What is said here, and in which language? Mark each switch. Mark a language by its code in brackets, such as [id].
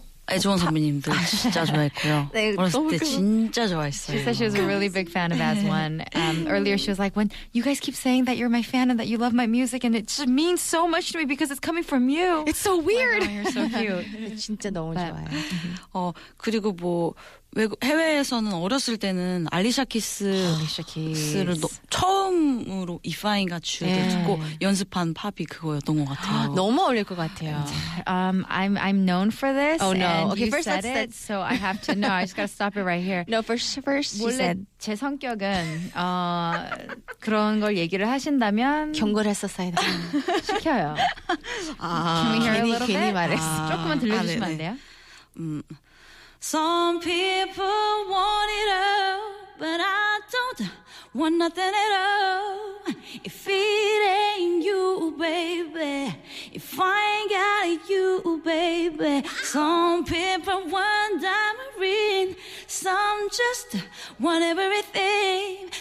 [ko] 애주원 선배님들 진짜 좋아했고요. 네, 어렸을 때 진짜 좋아했어요. [en] She said she was a really big fan of AS1. Earlier she was like, when you guys keep saying that you're my fan and that you love my music and it just means so much to me because it's coming from you. It's so weird. You're so cute. [ko] 진짜 너무 좋아요. 그리고 뭐 해외에서는 어렸을 때는 알리샤 키스를 처음으로 If I Got You 듣고 연습한 팝이 그거였던 것 같아요. 너무 어울릴 것 같아요. [en] I'm known for this. Oh no. Okay, first let's say it. So I have to. No, I just gotta stop it right here. No, first. [ko] 원래 제 성격은 그런 걸 얘기를 하신다면 경고를 했었어야 시켜요. 괜히 말했어. 조금만 들려주시면 안 돼요? [en] Some people want it all, but I don't want nothing at all. If it ain't you, baby, if I ain't got you, baby. Some people want diamond ring, some just want everything.